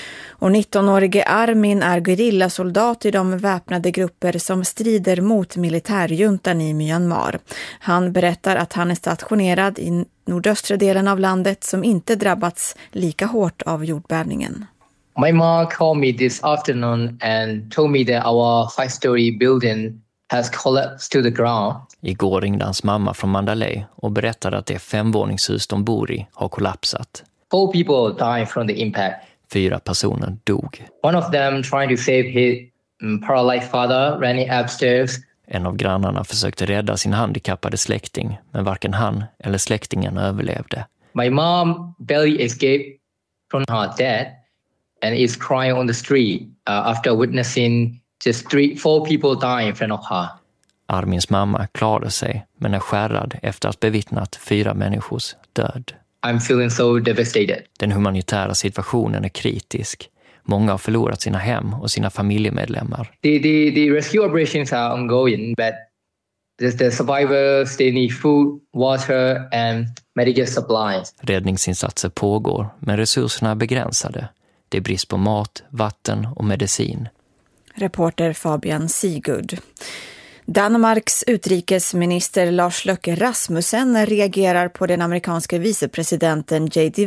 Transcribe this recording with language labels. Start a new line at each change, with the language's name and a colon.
Swedish: Och 19-årige Armin är gerillasoldat i de väpnade grupper som strider mot militärjuntan i Myanmar. Han berättar att han är stationerad i nordöstra delen av landet som inte drabbats lika hårt av jordbävningen.
English: My mom called me this afternoon and told me that our 5-story building has collapsed to the ground.
Swedish: Igår ringde hans mamma från Mandalay och berättade att det femvåningshus de bor i har kollapsat.
English: 4 people died from the impact.
Swedish: 4 personer dog.
English: One of them trying to save his paralyzed father ran upstairs.
Swedish: En av grannarna försökte rädda sin handikappade släkting, men varken han eller släktingen överlevde.
English: My mom barely escaped from her dad and is crying on the street after witnessing just 3-4 people dying from her.
Swedish: Armins mamma klarade sig men är skärrad efter att bevittnat 4 människors död.
English: I'm feeling so devastated.
Swedish: Den humanitära situationen är kritisk. Många har förlorat sina hem och sina familjemedlemmar.
English: The rescue operations are ongoing, but the survivors, they need food, water and medical supplies.
Swedish: Räddningsinsatser pågår, men resurserna är begränsade. Det är brist på mat, vatten och medicin. Reporter Fabian Sigurd. Danmarks utrikesminister Lars Løkke Rasmussen reagerar på den amerikanske vicepresidenten J.D.